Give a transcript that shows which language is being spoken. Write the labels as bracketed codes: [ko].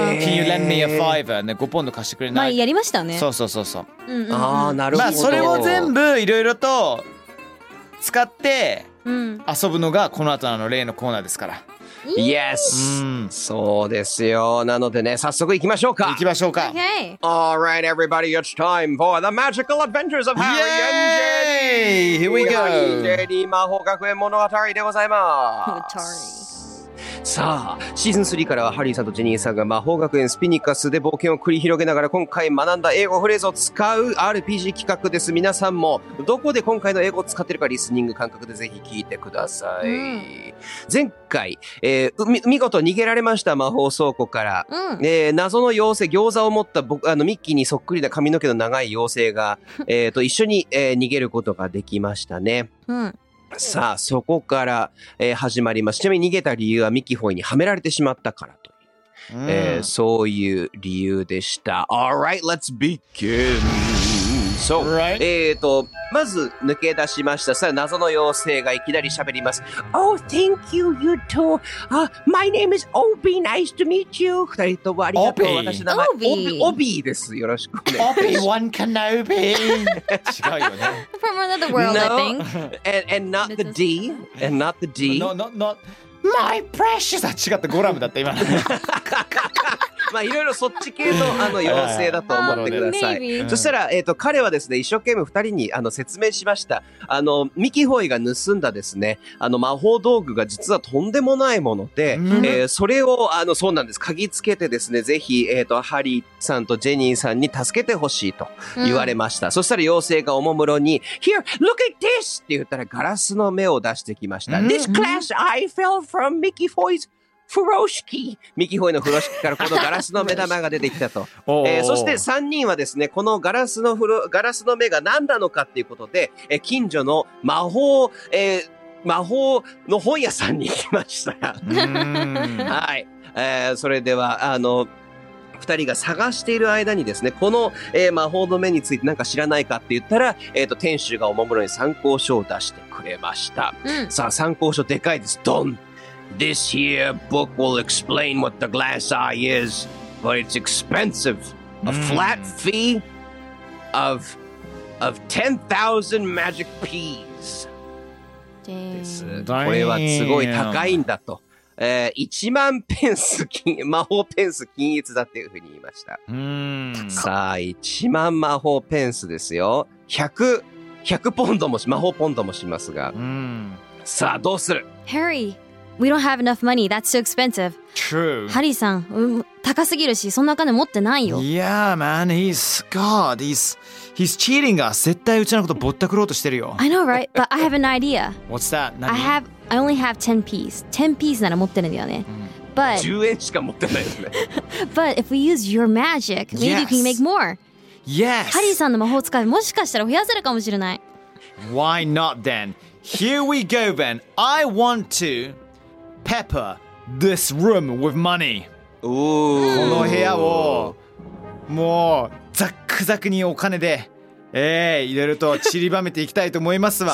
[en] Can you lend me a fiver?、ね、 [ja] 5 pounds 貸してくれない、まあ、やりましたね。そうそうそうそう。うんうん、ああ、なるほど。まあ、それを全部いろいろと使って遊ぶのがこの後の例のコーナーですから。うん、yes!、うん、そうですよ。なのでね、早速行きましょうか。行きましょうか。 [en] Okay. All right, everybody, it's time for the magical adventures of Harry and Jenny! Here we go! [ja] ハリー・ジェニー魔法学園物語でございます。さあ、シーズン3からはハリーさんとジェニーさんが魔法学園スピニカスで冒険を繰り広げながら今回学んだ英語フレーズを使う RPG 企画です。皆さんもどこで今回の英語を使ってるかリスニング感覚でぜひ聞いてください。うん、前回、見事逃げられました魔法倉庫から、うん、謎の妖精、餃子を持った僕、ミッキーにそっくりな髪の毛の長い妖精が、一緒に、逃げることができましたね。うん、さあそこから、始まります。ちなみに逃げた理由はミキホイにはめられてしまったからという、うん、そういう理由でした。 [en] Alright, let's begin. So、 right. [ja] まず抜け出しました。さあ謎の妖精がいきなり喋ります。 [en] Oh, thank you, Yuto. My name is Obi, nice to meet you. [ja] 二人ともありがとう。私の名前 Obi です。よろしくお願いします。 Obi Wan Kenobi 違うよね。 [en] From another world, no, I think. And not the D. And not the D. Not. My precious. [ja] 違った、ゴラムだった今。まあいろいろそっち系のあの妖精だと思ってください。そしたら彼はですね、一生懸命二人に説明しました。ミキホイが盗んだですね、魔法道具が実はとんでもないもので、それをそうなんです、鍵つけてですね、ぜひハリーさんとジェニーさんに助けてほしいと言われました。そしたら妖精がおもむろに、 [en] Here, look at this! [ja] って言ったらガラスの目を出してきました。 [en] This glass I fell from Mickey Foy's Furoshiki. [ja] ミキホイの風呂敷からこのガラスの目玉が出てきたと。そして3人はですね、このガラスの目が何なのかっていうことで、近所の魔法の本屋さんに行きました。はい。それでは、2人二人が探している間にですね、この、魔法の目についてなんか知らないかって言ったら、店主がおもむろに参考書を出してくれました。うん、さあ、参考書でかいです。ドン。 [en] This here book will explain what the glass eye is, but it's expensive. A flat fee of 10,000 magic peas. [ja] これはすごい高いんだと。1万ペンス金、魔法ペンス均一だっていうふうに言いました。さあ、1万魔法ペンスですよ。 100ポンドもしますが。さあ、どうする [en] ?Harry! We don't have enough money. That's too expensive. True. [ja] Harry さん、高すぎるし、そんなお金持ってないよ。 [en] Yeah, man. He's cheating us. [ja] 絶対うちのことぼったくろうとしてるよ。 [en] I know, right? But I have an idea. What's that? I only have 10 piece. 10 piece [ja] なら持ってるんだよね。 [en] But [ja] 10円しか持ってないよね。 [en] But if we use your magic, maybe you can make more. Yes. [ja] Harry さんの魔法使いもしかしたら増やせるかもしれない。 [en] Why not then? Here we go, Ben. I want to... Pepper this room with money. [ja] この部屋をもうザクザクにお金で、入れると散りばめていきたいと思いますわ。